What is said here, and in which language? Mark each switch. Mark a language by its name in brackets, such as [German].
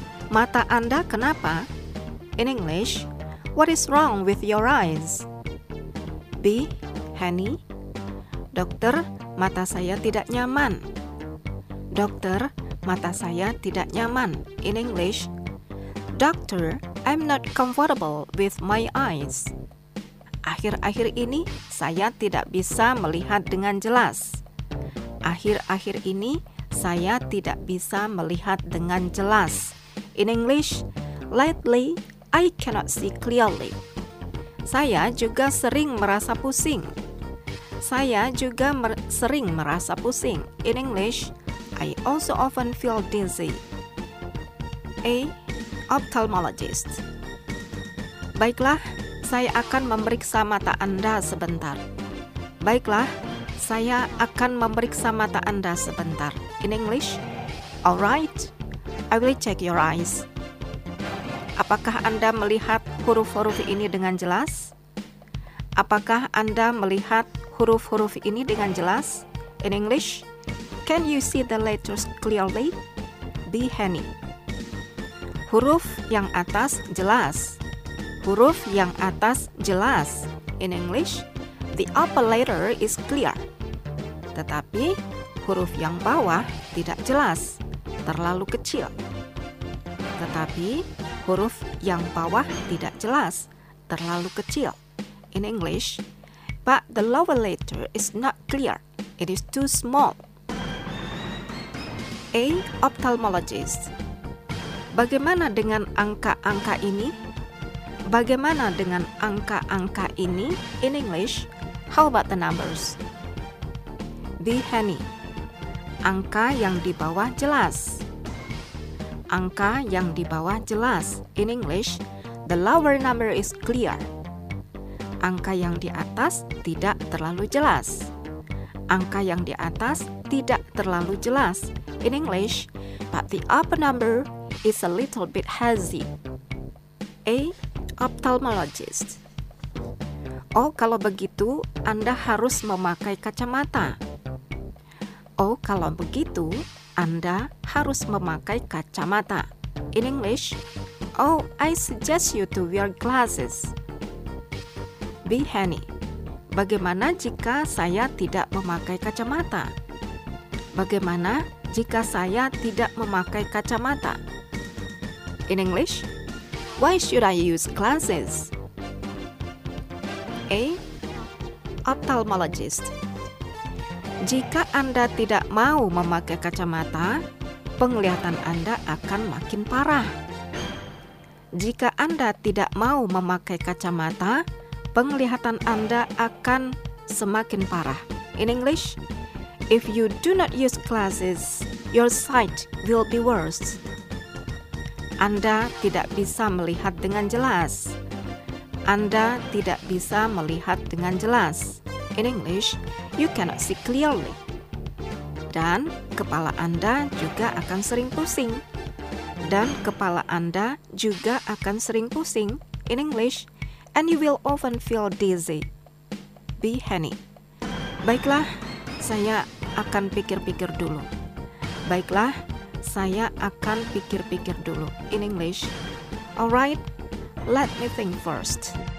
[Indonesian] Mata Anda kenapa? [English] In English, what is wrong with your eyes? [Indonesian] B. Henny. Dokter, mata saya tidak nyaman. Dokter, mata saya tidak nyaman. [English] In English, Doctor, I'm not comfortable with my eyes. [Indonesian] Akhir-akhir ini, saya tidak bisa melihat dengan jelas. Akhir-akhir ini, saya tidak bisa melihat dengan jelas. [English] In English, lately, I cannot see clearly. [Indonesian] Saya juga sering merasa pusing. Saya juga sering merasa pusing. [English] In English, I also often feel dizzy. [Indonesian] A. Ophthalmologist. Baiklah, saya akan memeriksa mata Anda sebentar. Baiklah, saya akan memeriksa mata Anda sebentar. [English] In English, alright, I will check your eyes. [Indonesian] Apakah Anda melihat huruf-huruf ini dengan jelas? Apakah Anda melihat huruf-huruf ini dengan jelas? [English] In English, can you see the letters clearly? [Indonesian] B. Henny. Huruf yang atas jelas. Huruf yang atas jelas. [English] In English, the upper letter is clear. [Indonesian] Tetapi, huruf yang bawah tidak jelas, terlalu kecil. Tetapi, huruf yang bawah tidak jelas, terlalu kecil. [English] In English, but the lower letter is not clear. It is too small. A. Ophthalmologist. [Indonesian] Bagaimana dengan angka-angka ini? Bagaimana dengan angka-angka ini? [English] In English, how about the numbers? B. Henny. [Indonesian] Angka yang di bawah jelas. Angka yang di bawah jelas. [English] In English, the lower number is clear. [Indonesian] Angka yang di atas tidak terlalu jelas. Angka yang di atas tidak terlalu jelas. [English] In English, but the upper number is a little bit hazy. [Indonesian] A. Ophthalmologist. Oh, kalau begitu, Anda harus memakai kacamata. Oh, kalau begitu, Anda harus memakai kacamata. [English] In English, oh, I suggest you to wear glasses. B. Henny. [Indonesian] Bagaimana jika saya tidak memakai kacamata? Bagaimana jika saya tidak memakai kacamata? [English] In English, why should I use glasses? A. Ophthalmologist. [Indonesian] Jika Anda tidak mau memakai kacamata, penglihatan Anda akan makin parah. Jika Anda tidak mau memakai kacamata, penglihatan Anda akan semakin parah. [English] In English, if you do not use glasses, your sight will be worse. [Indonesian] Anda tidak bisa melihat dengan jelas. Anda tidak bisa melihat dengan jelas. [English] In English, you cannot see clearly. [Indonesian] Dan kepala Anda juga akan sering pusing. Dan kepala Anda juga akan sering pusing. [English] In English, and you will often feel dizzy. [Indonesian] B. Henny. Baiklah, saya akan pikir-pikir dulu. Baiklah, saya akan pikir-pikir dulu. [English] In English, alright, let me think first.